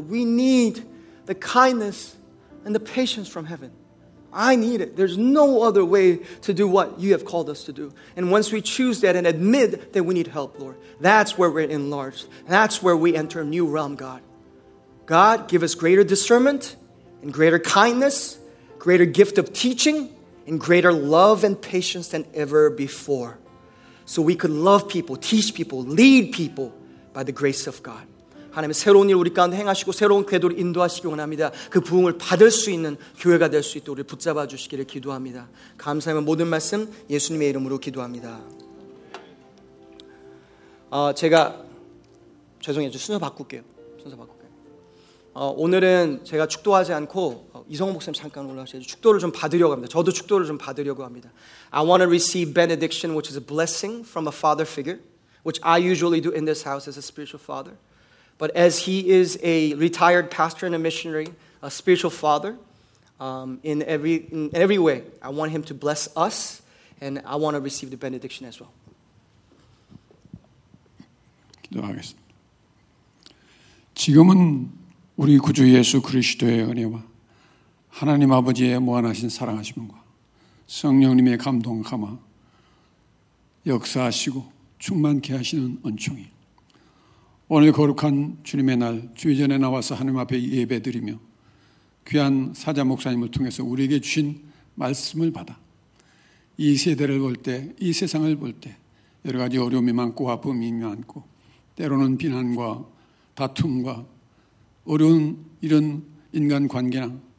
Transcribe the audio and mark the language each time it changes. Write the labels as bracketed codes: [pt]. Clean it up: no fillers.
[en] We need the kindness and the patience from heaven. I need it. There's no other way to do what you have called us to do. And once we choose that and admit that we need help, Lord, that's where we're enlarged. That's where we enter a new realm, God. God, give us greater discernment and greater kindness, greater gift of teaching, and greater love and patience than ever before. So we could love people, teach people, lead people by the grace of God. [ko] 하나님 새로운 일 우리 가운데 행하시고 새로운 궤도를 인도하시기 원합니다. 그 부흥을 받을 수 있는 교회가 될 수 있도록 우리를 붙잡아 주시기를 기도합니다. 감사하며 모든 말씀 예수님의 이름으로 기도합니다. 제가 죄송해요. 순서 바꿀게요. 오늘은 제가 축도하지 않고 이성훈 목사님 잠깐 올라오셔서 축도를 좀 받으려고 합니다. 저도 축도를 좀 받으려고 합니다. [en] I want to receive benediction, which is a blessing from a father figure, which I usually do in this house as a spiritual father. But as he is a retired pastor and a missionary, a spiritual father, in every way, I want him to bless us, and I want to receive the benediction as well. [ko] 기도하겠습니다. 지금은 우리 구주 예수 그리스도의 은혜와 하나님 아버지의 무한하신 사랑하심과 성령님의 감동 감화 역사하시고 충만케 하시는 은총이 오늘 거룩한 주님의 날 주의전에 나와서 하나님 앞에 예배드리며 귀한 사자 목사님을 통해서 우리에게 주신 말씀을 받아 이 세대를 볼 때, 이 세상을 볼 때 여러 가지 어려움이 많고 아픔이 많고 때로는 비난과 다툼과 어려운 이런 인간관계나